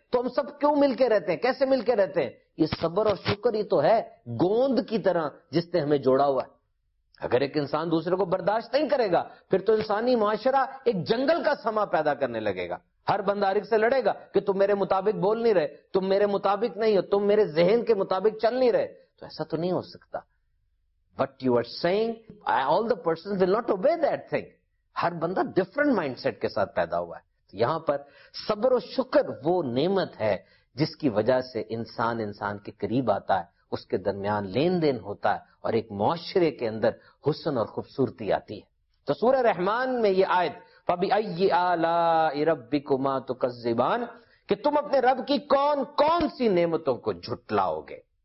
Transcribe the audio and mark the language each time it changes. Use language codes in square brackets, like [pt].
[ur] تو ہم سب کیوں مل کے رہتے ہیں, کیسے مل کے رہتے ہیں؟ یہ صبر اور شکر ہی تو ہے گوند کی طرح جس نے ہمیں جوڑا ہوا ہے. اگر ایک انسان دوسرے کو برداشت نہیں کرے گا, پھر تو انسانی معاشرہ ایک جنگل کا سما پیدا کرنے لگے گا. ہر بندہ ہر ایک سے لڑے گا کہ تم میرے مطابق بول نہیں رہے, تم میرے مطابق نہیں ہو, تم میرے ذہن کے مطابق چل نہیں رہے. تو ایسا تو نہیں ہو سکتا. [en] What you are saying, all the persons will not obey that thing. [ur] ہر بندہ [en] different mindset [ur] کے ساتھ پیدا ہوا ہے. یہاں پر صبر و شکر وہ نعمت ہے جس کی وجہ سے انسان انسان کے قریب آتا ہے, اس کے درمیان لین دین ہوتا ہے اور ایک معاشرے کے اندر حسن اور خوبصورتی آتی ہے. تو سورہ رحمان میں یہ آیت, [ar] فَبِأَيِّ آلَاءِ رَبِّكُمَا تُكَذِّبَانِ, [ur] کہ تم اپنے رب کی کون کون سی نعمتوں کو جھٹلاؤ گے.